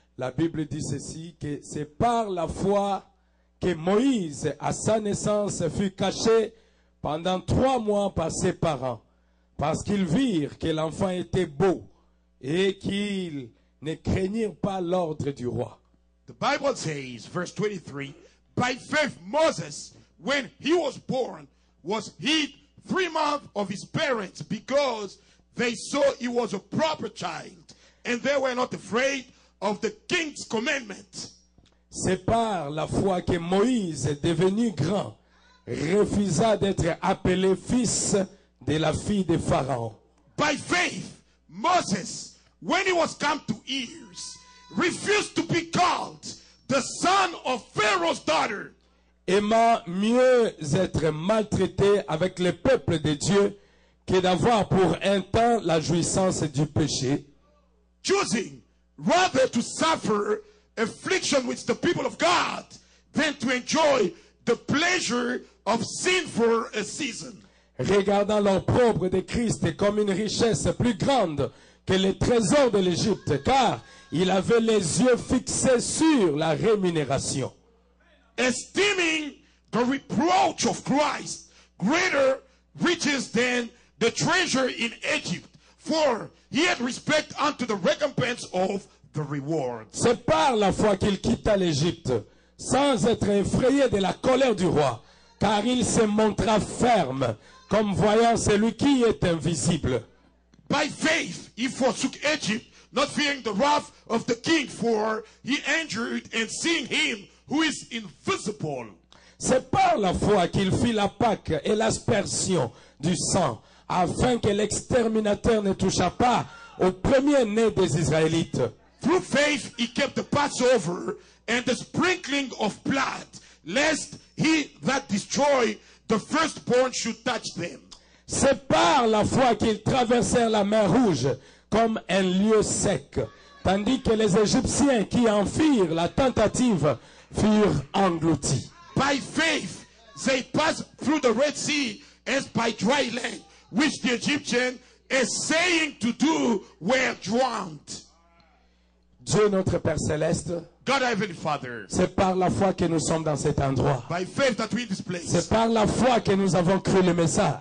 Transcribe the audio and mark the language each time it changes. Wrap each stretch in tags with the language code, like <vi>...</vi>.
<fr>La Bible dit ceci, que c'est par la foi que Moïse à sa naissance fut caché pendant 3 mois par ses parents, parce qu'ils virent que l'enfant était beau et qu'ils ne craignirent pas l'ordre du roi.</fr> <en>The Bible says, verse 23, by faith Moses, when he was born, was hid 3 months of his parents, because they saw he was a proper child, and they were not afraid of the king's commandment.</en> <fr>C'est par la foi que Moïse est devenu grand, refusa d'être appelé fils de la fille de Pharaon.</fr> <en>By faith, Moses, when he was come to years, refused to be called the son of Pharaoh's daughter.</en> <fr>Aima mieux être maltraité avec le peuple de Dieu que d'avoir pour un temps la jouissance du péché.</fr> <en>Choosing rather to suffer affliction with the people of God than to enjoy the pleasure of sin for a season.</en> <fr>Regardant l'opprobre de Christ comme une richesse plus grande que les trésors de l'Égypte, car il avait les yeux fixés sur la rémunération.</fr> <en>Esteeming the reproach of Christ greater riches than the treasure in Egypt, for he had respect unto the recompense of the reward.</en> <fr>C'est par la foi qu'il quitta l'Égypte, sans être effrayé de la colère du roi, car il se montra ferme, comme voyant celui qui est invisible.</fr> <en>By faith he forsook Egypt, not fearing the wrath of the king, for he endured and seeing him who is invisible.</en> <fr>C'est par la foi qu'il fit la Pâque et l'aspersion du sang, afin que l'exterminateur ne touchât pas au premier-né des Israélites.</fr> <en>Through faith he kept the Passover and the sprinkling of blood, lest he that destroyed the firstborn should touch them.</en> <fr>C'est par la foi qu'ils traversèrent la mer Rouge comme un lieu sec, tandis que les Égyptiens qui en firent la tentative furent engloutis.</fr> <en>By faith they passed through the Red Sea as by dry land, which the Egyptians, essaying to do, were drowned.</en> <fr>Dieu notre Père céleste,</fr> <en>God, Heavenly Father,</en> <fr>c'est par la foi que nous sommes dans cet endroit.</fr> <en>By faith that we in this place.</en> <fr>C'est par la foi que nous avons cru le message.</fr>